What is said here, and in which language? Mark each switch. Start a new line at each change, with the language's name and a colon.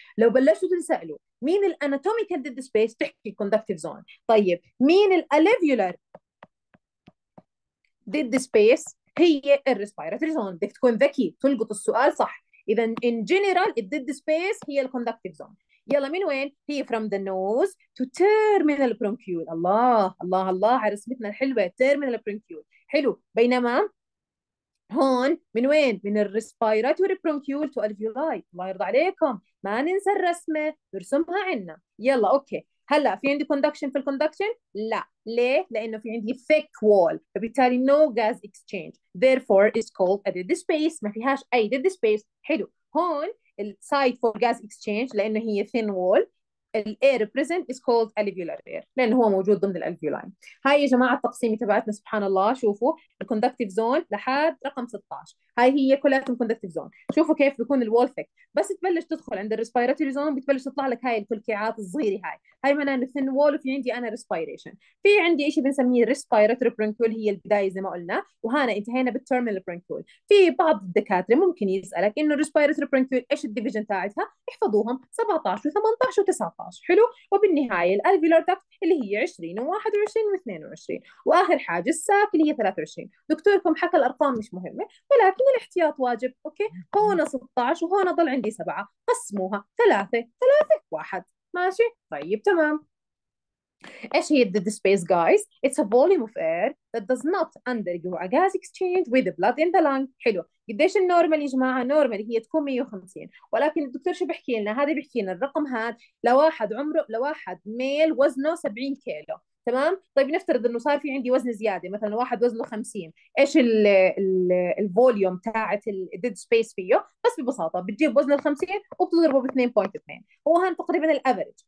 Arabic: لو بلشتوا تنسالوا مين الاناتوميكال ديد سبيس؟ تحكي الكوندكتيف زون. طيب مين الاليفيولر ديد سبيس؟ هي الريسبيراتوري زون. بدك تكون ذكي تلقط السؤال صح. اذا ان جنرال الديد سبيس هي الكوندكتيف زون.
English: يلا من وين؟ هي from the nose to terminal bronchiole.
Arabic: الله الله الله على رسمتنا الحلوة، terminal bronchiole. حلو. بينما هون من وين؟ من ال respiratory bronchiole to alveoli. الله يرضى عليكم، ما ننسى الرسمة نرسمها عنا. يلا أوكي، هلا في عندي conduction في ال conduction؟ لا.
English: ليه؟ لأنه في عندي thick wall، فبالتالي no gas exchange، therefore it's called a dead space، ما فيهاش أي dead space.
Arabic: حلو.
English: هون ال site for gas exchange لأنه هي thin wall، ال air present is called alveolar air لأنه هو موجود ضمن الالفيولاي.
Arabic: هاي يا جماعة التقسيمة تبعتنا سبحان الله، شوفوا ال conductive zone لحد رقم 16، هاي هي كلها conductive zone. شوفوا كيف بيكون ال wall thick، بس تبلش تدخل عند ال respiratory zone بتبلش تطلع لك هاي الكلكعات الصغيرة، هاي معناها إنه thin wall وفي عندي أنا respiration. في عندي شيء بنسميه respiratory bronchiole هي البداية زي ما قلنا، وهنا انتهينا بال terminal bronchiole. في بعض الدكاترة ممكن يسألك إنه respiratory bronchiole إيش الديفيجن تاعتها؟ احفظوهم 17 و18 و19. حلو؟ وبالنهاية الالفيولار داكت اللي هي 20 و21 و22، وآخر حاجة الساك اللي هي 23. دكتوركم حكى الأرقام مش مهمة، ولكن الاحتياط واجب. أوكي؟ هون 16 وهون ضل عندي 7، قسموها 3 3 1. ماشي؟ طيب تمام.
English: ايش هي الديد space guys? It's a volume of air that does not undergo a gas exchange with the blood in the lung.
Arabic: حلو، قديش النورمال يا جماعه؟ النورمال هي تكون 150، ولكن الدكتور شو بيحكي لنا؟ هذا بيحكي لنا الرقم هذا لواحد عمره، لواحد ميل وزنه 70 كيلو، تمام. طيب نفترض انه صار في عندي وزن زياده، مثلا واحد وزنه 50، ايش الفوليوم بتاعت الديد سبيس فيه؟ بس ببساطه بتجيب وزن ال 50 وبتضربه ب 2.2، هو هان تقريبا الافرج.